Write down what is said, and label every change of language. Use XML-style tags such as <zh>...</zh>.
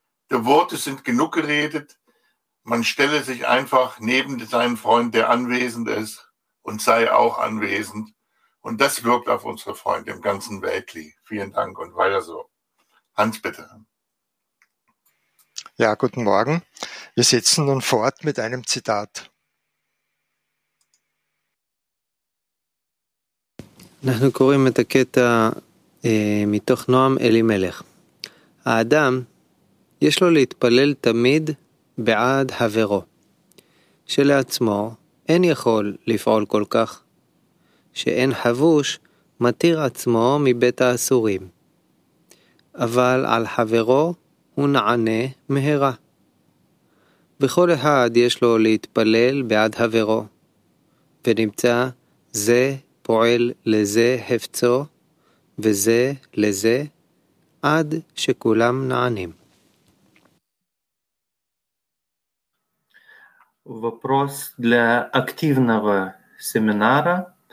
<de>Die Worte sind genug geredet. Man stelle sich einfach neben seinen Freund, der anwesend ist, und sei auch anwesend. Und das wirkt auf unsere Freunde im ganzen Weltli. Vielen Dank und weiter so. Hans, bitte. Ja, guten Morgen. Wir setzen nun fort mit einem Zitat.</de> <he>אנחנו קוראים את הקטע מתוך נועם אלימלך. האדם יש לו להתפלל תמיד בעד חברו, שלעצמו אין יכול לפעול כל כך, שאין חבוש מתיר עצמו מבית האסורים, אבל על חברו הוא נענה מהרה. בכל אחד יש לו להתפלל בעד חברו, ונמצא זה נענה. פועל לזה הפצו וזה לזה עד שכולם נענים.</he> <ru>вопрос для активного семинара</ru>